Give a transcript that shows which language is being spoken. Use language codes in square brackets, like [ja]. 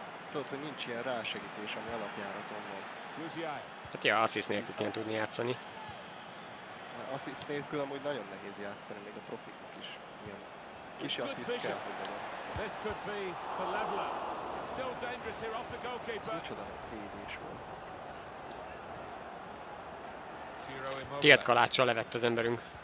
[hu] Tudod, hogy nincs ilyen rásegítés, ami alapjáraton van. Hát ja, assist nélkül kéne tudni játszani. Assist nélkül amúgy nagyon nehéz játszani, még a profiknak is. Ilyen kis assist kell, hogy legyen. [en] This could be the leveler. Still dangerous here off the goalkeeper. [hu] Ez micsoda védés volt. Tiet kaláccsal levett az emberünk.